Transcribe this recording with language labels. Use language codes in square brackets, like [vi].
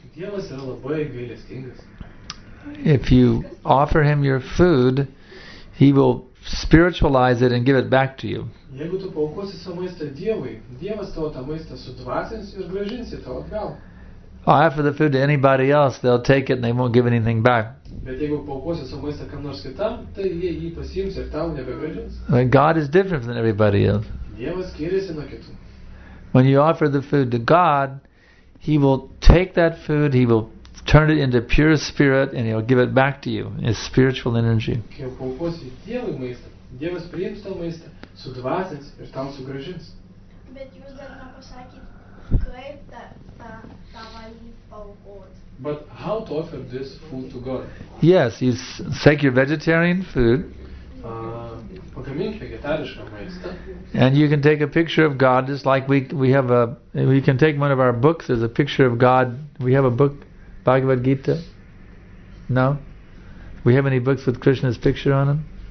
[en] If you offer him your food, he will spiritualize it and give it back to you. [lt] Jeigu tu paukosi savo maistą Dievui, Dievas tavo tą maistą sudvasins ir grąžins į tavo atgal. [en] I offer the food to anybody else, they'll take it and they won't give anything back. [lt] Bet jeigu paukosi savo maistą kam nors kitam, tai jie jį pasiims ir tau nebegrąžins. [en] When God is different than everybody else. [lt] Dievas skiriasi nuo kitų. [en] When you offer the food to God, he will take that food, he will turn it into pure spirit and he'll give it back to you as spiritual energy. [lt] Kai paukosi Dievui maistą, Dievas priims tą maistą, sudvasins ir tau sugražins. Bet jūs dar nepasakyt, kaip tą valgį paukoti. [en] But how to offer this food to God? Yes, you take your vegetarian food. [lt] Pagamink vegetarišką maistą. [en] And you can take a picture of God, just like we can take one of our books as a picture of God. We have a book, Bhagavad Gita. No? We have any books with Krishna's picture on them?